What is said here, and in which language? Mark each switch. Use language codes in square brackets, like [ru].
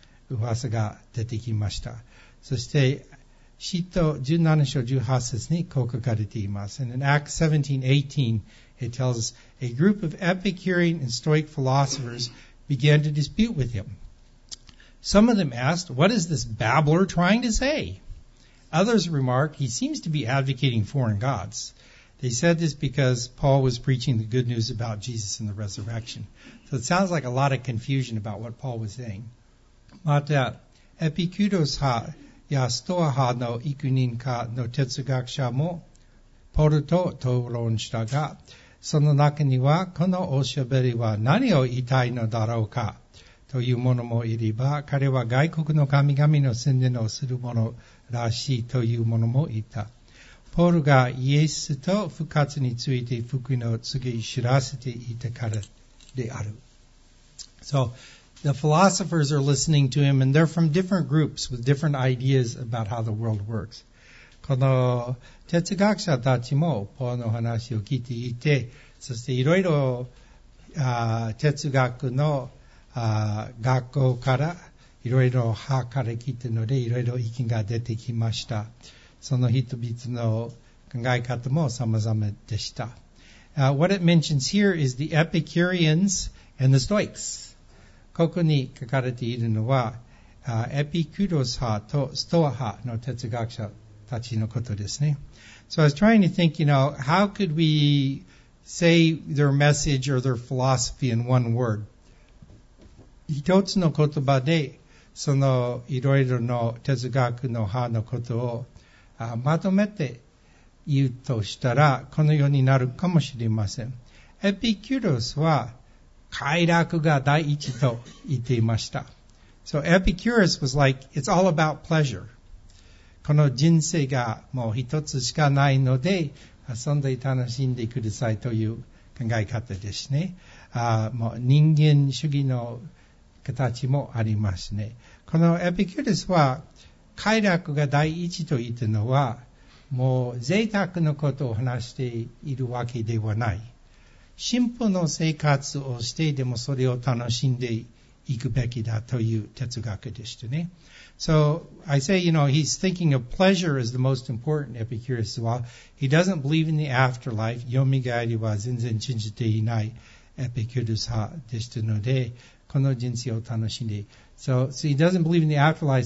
[ja] 噂が出てきました。そして使徒17章18節にこう書かれています。 [en] And in Acts 17:18 it tells a group of Epicurean and Stoic philosophers began to dispute with himSome of them asked, what is this babbler trying to say? Others remark, he seems to be advocating foreign gods. They said this because Paul was preaching the good news about Jesus and the resurrection. So it sounds like a lot of confusion about what Paul was saying. [ja] また、エピクロス派やストア派の幾人かの哲学者もポルと討論したが、その中にはこのおしゃべりは何を言いたいのだろうか? というものもいれば、彼は外国の神々の宣伝をするものらしいというものもいた。ポールがイエスと復活について福音を告げ知らせていたからである。 [en] So, the philosophers are listening to him and they're from different groups with different ideas about how the world works. [ja] この哲学者たちもポーの話を聞いていて、そしていろいろ哲学の学校からいろいろ派から聞いているので、いろいろ意見が出てきました。その人々の考え方も様々でした。 [en] What it mentions here is the Epicureans and the Stoics. [ja] ここに書かれているのは、エピクロス派とストア派の哲学者たちのことですね。 [en] So I was trying to think, you know, how could we say their message or their philosophy in one word? [ja] 一つの言葉で、そのいろいろの哲学の派のことをまとめて言うとしたら、このようになるかもしれません。エピキュロスは快楽が第一と言っていました。 [en] So Epicurus was like, it's all about pleasure. [ja] この人生がもう一つしかないので、遊んで楽しんでくださいという考え方ですね。もう人間主義の形もありますね。このエピキュロスは快楽が第一と言っているのは、もう贅沢のことを話しているわけではない。シンプルな生活をしてでもそれを楽しんでいくべきだという哲学でしたね。 [en] So I say, you know, he's thinking of pleasure as the most important, Epicurus as well. He doesn't believe in the afterlife. [ja] 蘇りは全然信じていない Epicurus 派でしたので、この人生を楽しんで。 [en] So he doesn't believe in the afterlife.